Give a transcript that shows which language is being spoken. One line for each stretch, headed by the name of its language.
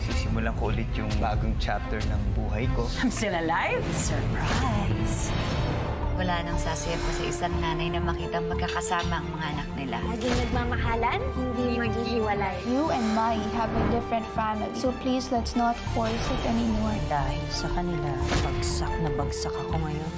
Filipino: Sisimulan ko ulit yung bagong chapter ng buhay ko.
English: I'm still alive? Surprise!
Filipino: Wala nang sasaya pa sa isang nanay na makita magkakasama ang mga anak nila. Laging nagmamahalan, hindi maghihiwalay.
English: You and Mai have a different family, so please let's not force it anymore.
Filipino: Dahil sa kanila, bagsak na bagsak ako ngayon.